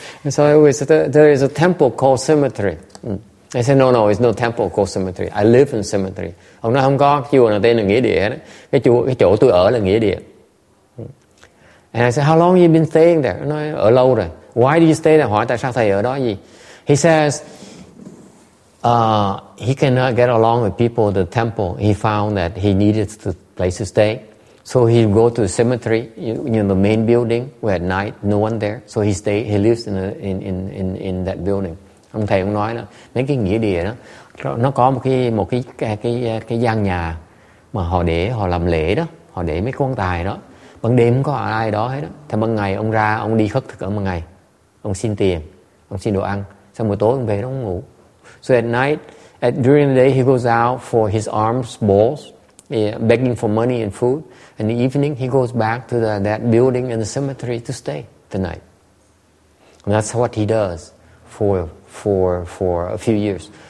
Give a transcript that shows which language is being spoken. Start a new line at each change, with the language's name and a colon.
English: So there is a temple called cemetery. I said, no, it's no temple called cemetery. I live in cemetery.
Vietnamese: Ông nói không có chùa nào tên là nghĩa địa hết. Cái chỗ tôi ở là nghĩa địa.
English: And I said, how long have you been staying there?
Vietnamese: Nói ở lâu rồi.
English: Why do you stay there?
Vietnamese: Hỏi tại sao thầy ở đó gì?
English: He says he cannot get along with people at the temple. He found that he needed a place to stay. So he go to the cemetery, you know, the main building, where at night no one there. So he stay. He lives in that building.
Vietnamese: Ông thầy ông nói là mấy cái nghĩa địa đó, nó có một cái gian nhà mà họ để, họ làm lễ đó, họ để mấy quan tài đó. Ban đêm không có ai đó hết đó. Thì ban ngày ông ra, ông đi khất thực ở ban ngày. Ông xin tiền, ông xin đồ ăn. Xong buổi tối ông về nó ngủ.
English: So at night, during the day, he goes out for his alms bowls, begging for money and food. In the evening, he goes back to that building in the cemetery to stay the night. And that's what he does for a few years.